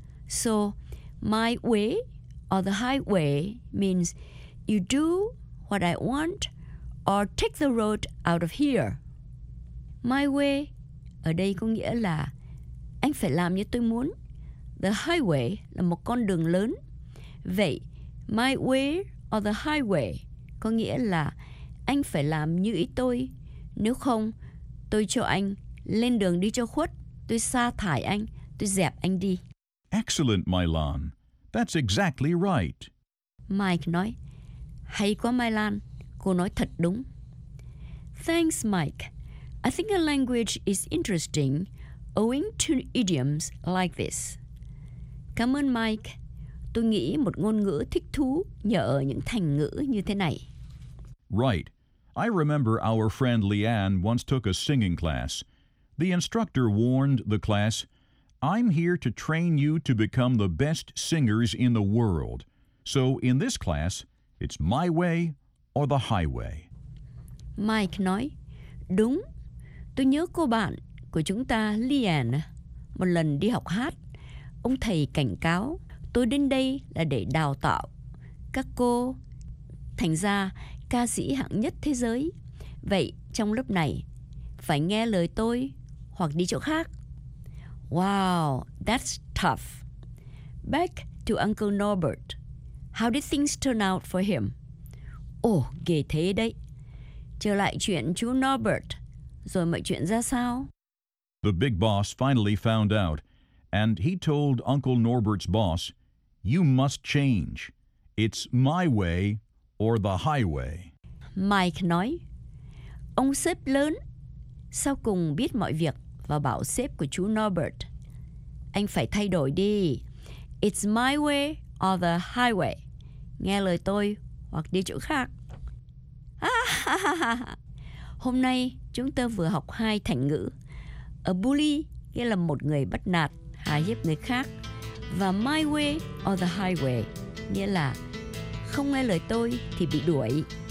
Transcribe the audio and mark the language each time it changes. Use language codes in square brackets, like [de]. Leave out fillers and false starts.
[en] So, my way or the highway means you do what I want or take the road out of here. My way [vi] ở đây có nghĩa là anh phải làm như tôi muốn. [en] The highway [vi] là một con đường lớn. Vậy, [en] my way or the highway [vi] có nghĩa là anh phải làm như ý tôi. Nếu không, tôi cho anh lên đường đi cho khuất. Tôi sa thải anh, tôi dẹp anh đi. [en] Excellent, Mylan. That's exactly right. [vi] Mike nói, hay quá Mylan, cô nói thật đúng. [en] Thanks, Mike. I think a language is interesting owing to idioms like this. [vi] Cảm ơn Mike. Tôi nghĩ một ngôn ngữ thích thú nhờ ở những thành ngữ như thế này. [en] Right. I remember our friend Leanne once took a singing class. The instructor warned the class, I'm here to train you to become the best singers in the world. So in this class, it's my way or the highway. [vi] Mike nói, đúng. Tôi nhớ cô bạn của chúng ta, Leanne, một lần đi học hát. Ông thầy cảnh cáo, tôi đến đây là để đào tạo các cô thành ra ca sĩ hạng nhất thế giới. Vậy trong lớp này, phải nghe lời tôi hoặc đi chỗ khác. [en] Wow, that's tough. Back to Uncle Norbert. How did things turn out for him? [vi] Oh, ghê thế đấy. Trở lại chuyện chú Norbert. Rồi mọi chuyện ra sao? [en] The big boss finally found out, and he told Uncle Norbert's boss, you must change. It's my way or the highway. [vi] Mike nói, ông sếp lớn sau cùng biết mọi việc và bảo sếp của chú Norbert, anh phải thay đổi đi. [en] It's my way or the highway. [vi] Nghe lời tôi hoặc đi chỗ khác. Hôm nay chúng ta vừa học hai thành ngữ. [en] A bully [vi] nghĩa là một người bắt nạt, hà hiếp người khác. Và [en] my way or the highway [vi] nghĩa là không nghe lời tôi thì bị đuổi.